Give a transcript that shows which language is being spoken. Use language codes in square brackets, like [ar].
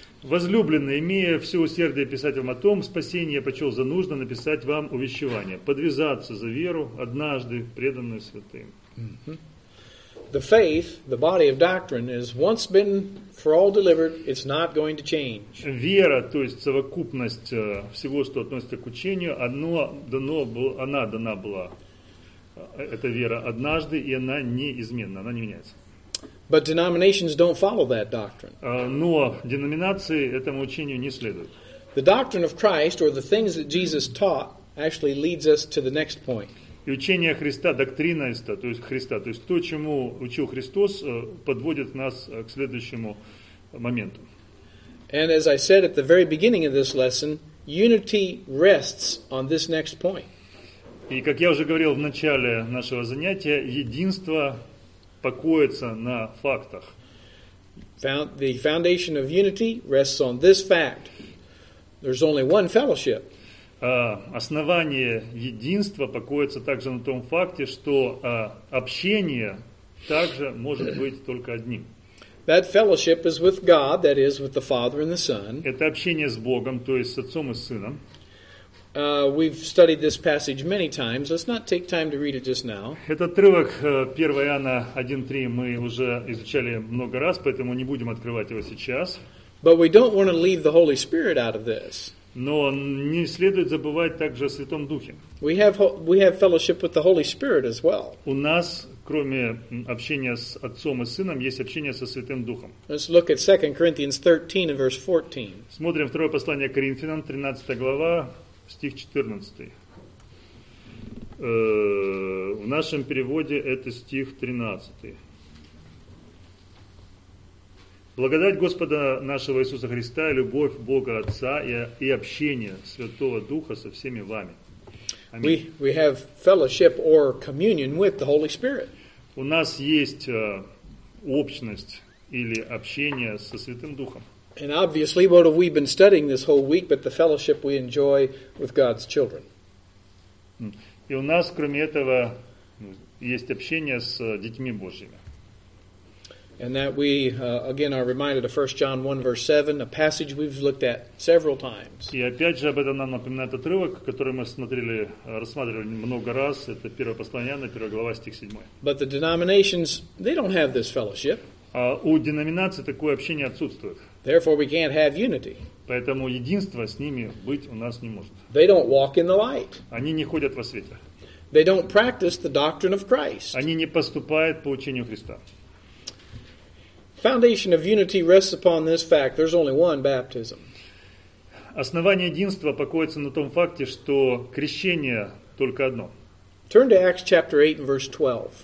[ru] Возлюбленные, имея все усердие писать вам о том, спасение я почел за нужно написать вам увещевание. Подвязаться за веру, однажды преданную святым. [en] The faith, the body of doctrine, has once been for all delivered, it's not going to change. [ru] Вера, то есть совокупность всего, что относится к учению, она дана была. Эта вера однажды, и она неизменна, она не меняется. [en] But denominations don't follow that doctrine. [ru] Но деноминации этому учению не следуют. [en] The doctrine of Christ, or the things that Jesus taught, actually leads us to the next point. [ru] И учение Христа, доктрина Христа, то есть то, чему учил Христос, подводит нас к следующему моменту. [en] And as I said at the very beginning of this lesson, unity rests on this next point. [ru] И как я уже говорил в начале нашего занятия, единство покоится на фактах. [en] The foundation of unity rests on this fact. There's only one fellowship. [ru] Основание единства покоится также на том факте, что общение также может быть только одним. [en] That fellowship is with God, that is, with the Father and the Son. [ru] Это общение с Богом, то есть с Отцом и Сыном. [en] We've studied this passage many times. Let's not take time to read it just now. [ru] Этот отрывок 1 Иоанна 1:3 мы уже изучали много раз, поэтому не будем открывать его сейчас. [en] But we don't want to leave the Holy Spirit out of this. [ru] Но не следует забывать также о Святом Духе. [en] We have fellowship with the Holy Spirit as well. [ru] У нас, кроме общения с Отцом и Сыном, есть общение со Святым Духом. [en] Let's look at 2 Corinthians 13 and verse 14. [ru] Смотрим второе послание Коринфянам, 13 глава, стих 14. В нашем переводе это стих 13. Благодать Господа нашего Иисуса Христа, любовь Бога Отца и общение Святого Духа со всеми вами. Аминь. [en] We have fellowship or communion with the Holy Spirit. [ru] У нас есть общность или общение со Святым Духом. [en] And obviously, what have we been studying this whole week but the fellowship we enjoy with God's children? [ru] И у нас, кроме этого, есть общение с детьми Божьими. [en] And that we again are reminded of 1 John 1 verse 7, a passage we've looked at several times. [ru] И опять же об этом нам напоминает отрывок, который мы рассматривали много раз. Это 1 послание Иоанна, 1 глава, стих 7. [en] But the denominations, they don't have this fellowship. [ru] У деноминаций такое общение отсутствует. [en] Therefore we can't have unity. [ru] Поэтому единство с ними быть у нас не может. [en] They don't walk in the light. [ru] Они не ходят во свете. [en] They don't practice the doctrine of Christ. [ru] Они не поступают по учению Христа. [en] Foundation of unity rests upon this fact. There's only one baptism. [ru] Основание единства покоится на том факте, что крещение только одно. [en] Turn to Acts chapter 8 and verse 12.